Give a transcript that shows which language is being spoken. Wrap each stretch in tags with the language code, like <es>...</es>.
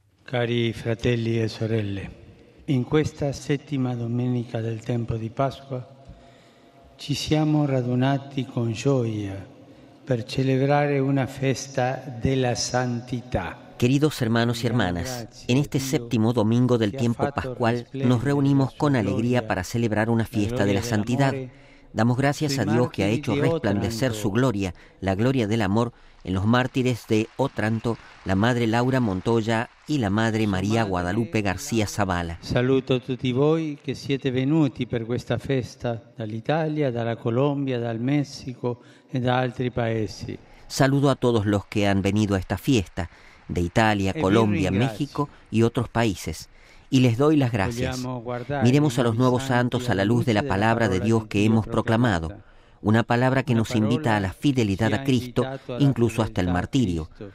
<it>Cari fratelli e sorelle, in questa settima domenica del tempo di Pasqua ci siamo radunati con gioia per celebrare una festa della santità.</it> <es>Queridos hermanos y hermanas, en este séptimo domingo del tiempo pascual nos reunimos con alegría para celebrar una fiesta de la santidad. Damos gracias a Dios que ha hecho resplandecer su gloria, la gloria del amor, en los mártires de Otranto, la madre Laura Montoya y la madre María Guadalupe García Zavala.</es> <it>Saluto a tutti voi che siete venuti per questa festa dall'Italia, dalla Colombia, dal Messico e da altri paesi.</it> <es>Saludo a todos los que han venido a esta fiesta de Italia, Colombia, México y otros países. Y les doy las gracias. Miremos a los nuevos santos a la luz de la palabra de Dios que hemos proclamado, una palabra que nos invita a la fidelidad a Cristo, incluso hasta el martirio.</es>